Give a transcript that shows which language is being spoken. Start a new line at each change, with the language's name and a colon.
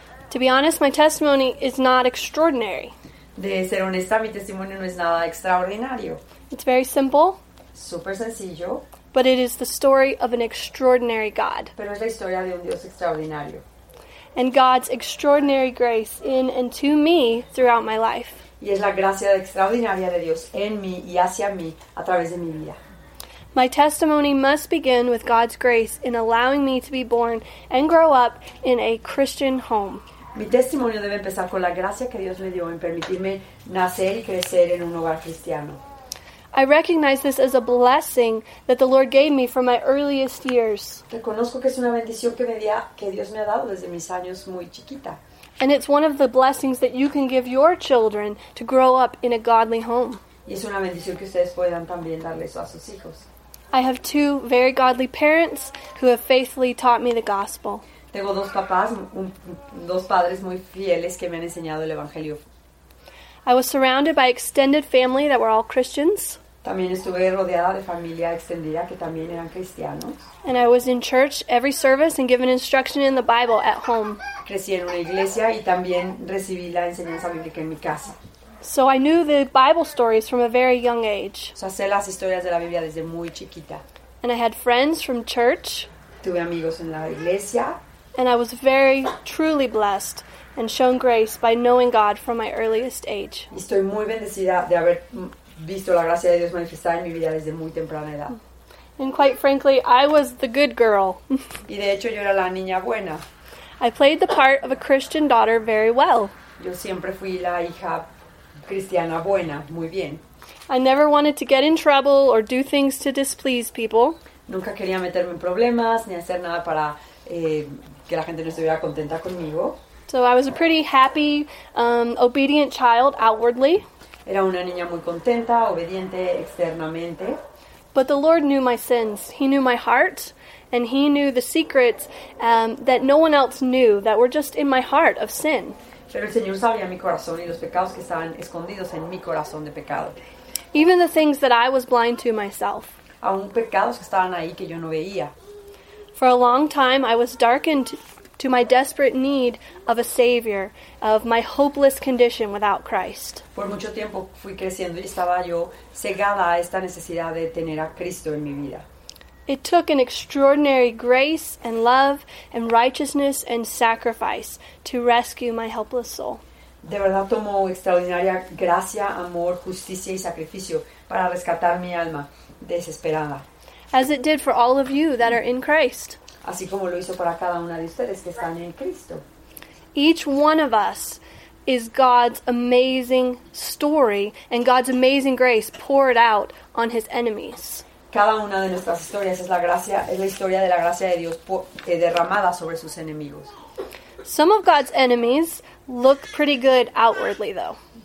English: To be honest, my testimony is not extraordinary.
Spanish: De ser honesta, mi testimonio no es nada extraordinario.
English: It's very simple.
Spanish: Súper sencillo.
English: But it is the story of an extraordinary God.
Spanish: Pero es la historia de un Dios extraordinario.
English: And God's extraordinary grace in and to me throughout my life.
Spanish: Y es la gracia extraordinaria de Dios en mí y hacia mí a través de mi vida.
English: My testimony must begin with God's grace in allowing me to be born and grow up in a Christian home.
Spanish: Mi testimonio debe empezar con la gracia que Dios me dio en permitirme nacer y crecer en un hogar cristiano.
English: I recognize this as a blessing that the Lord gave me from my earliest years.
Spanish: Reconozco que es una bendición que Dios me ha dado desde mis años muy chiquita.
English: And it's one of the blessings that you can give your children to grow up in a godly home.
Spanish: Y es una bendición que ustedes puedan también darle eso a sus hijos.
English: I have two very godly parents who have faithfully taught me the gospel.
Spanish: Tengo dos papás, dos padres muy fieles que me han enseñado el evangelio.
English: I was surrounded by extended family that were all Christians.
Spanish: También estuve rodeada de familia extendida que también eran cristianos.
English: And I was in church every service and given instruction in the Bible at home.
Spanish: Crecí en una iglesia y también recibí la enseñanza bíblica en mi casa.
English: So I knew the Bible stories from a very young age.
Spanish: O sea, sé las historias de la Biblia desde muy chiquita.
English: And I had friends from church.
Spanish: Tuve amigos en la iglesia.
English: And I was very truly blessed and shown grace by knowing God from my earliest age.
Spanish: Y estoy muy bendecida de haber visto la gracia de Dios manifestada en mi vida desde muy temprana edad.
English: And quite frankly, I was the good girl.
Spanish: Y de hecho yo era la niña buena.
English: I played the part of a Christian daughter very well.
Spanish: Yo siempre fui la hija cristiana buena, muy bien.
English: I never wanted to get in trouble or do things to displease people.
Spanish: Nunca quería meterme en problemas ni hacer nada para que la gente no estuviera contenta conmigo.
English: So I was a pretty happy, obedient child outwardly.
Spanish: Era una niña muy contenta, obediente externamente.
English: But the Lord knew my sins. He knew my heart, and He knew the secrets that no one else knew that were just in my heart of sin.
Spanish: Pero el Señor sabía mi corazón y los pecados que estaban escondidos en mi corazón de pecado.
English: Even the things that I was blind to myself.
Spanish: Aún pecados que estaban ahí que yo no veía.
English: For a long time I was darkened to my desperate need of a Savior, of my hopeless condition without Christ.
Spanish: Por mucho tiempo fui creciendo y estaba yo cegada a esta necesidad de tener a Cristo en mi vida.
English: It took an extraordinary grace and love and righteousness and sacrifice to rescue my helpless soul.
Spanish: De verdad tomó extraordinaria gracia, amor, justicia y sacrificio para rescatar mi alma desesperada.
English: As it did for all of you that are in Christ.
Spanish: Así como lo hizo para cada una de ustedes que están en Cristo.
English: Each one of us is God's amazing story and God's amazing grace poured out on His enemies.
Spanish: Cada una de nuestras historias es la gracia, es la historia de la gracia de Dios derramada sobre sus enemigos.
English: Some of God's enemies look pretty good outwardly, though.